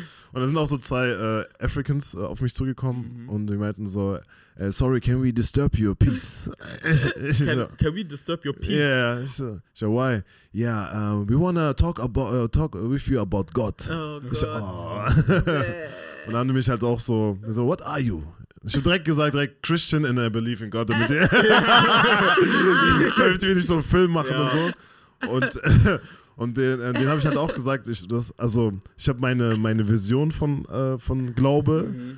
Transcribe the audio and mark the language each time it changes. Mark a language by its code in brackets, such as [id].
[de] Und da sind auch so zwei Africans auf mich zugekommen und die meinten so, [en] sorry, can we disturb your peace? can we disturb your peace? Yeah, [de] ich so, [en] why? Yeah, we wanna talk with you about God. [de] Oh Gott. Oh. Yeah. Und dann haben die mich halt auch so, [en] what are you? [de] Ich hab direkt gesagt, direkt [en] Christian and I believe in God. [de] Damit wir nicht so einen Film machen und so. Und den habe ich halt auch gesagt. Ich habe meine Vision von Glaube.